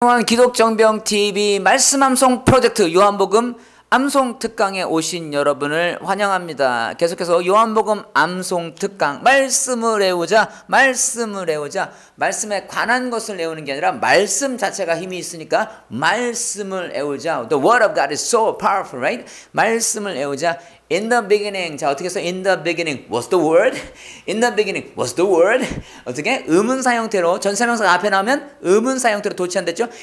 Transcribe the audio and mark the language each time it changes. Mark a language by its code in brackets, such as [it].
[ko] 성경암송 기독정병 TV 말씀암송 프로젝트 요한복음 암송특강에 오신 여러분을 환영합니다. 계속해서 요한복음 암송특강 말씀을 외우자 말씀을 외우자 말씀에 관한 것을 외우는 게 아니라 말씀 자체가 힘이 있으니까 말씀을 외우자. [en] The word of God is so powerful, right? [ko] 말씀을 외우자. [en] In the beginning, [ko] 자 어떻게 써? [en] In the beginning was the word. In the beginning was the word. [ko] 어떻게? 의문사 형태로 전세명사가 앞에 나오면 의문사 형태로 도치 안 됐죠?